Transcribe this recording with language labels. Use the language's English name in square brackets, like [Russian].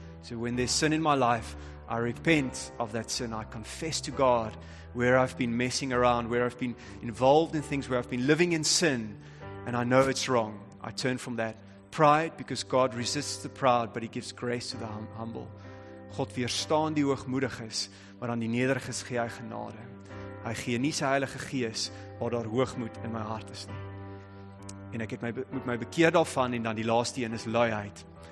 [English] So when there's sin in my life, I repent of that sin. I confess to God where I've been messing around, where I've been involved in things, where I've been living in sin, and I know it's wrong. I turn from that. Pride, because God resists the proud, but he gives grace to the humble. [Afrikaans] God weerstaan die hoogmoediges, maar aan die nederiges gee hy genade. Hy gee nie sy Heilige Gees, waar daar hoogmoed in my hart is nie. En ek het moet my bekeer daarvan, en dan die laaste een is luiheid.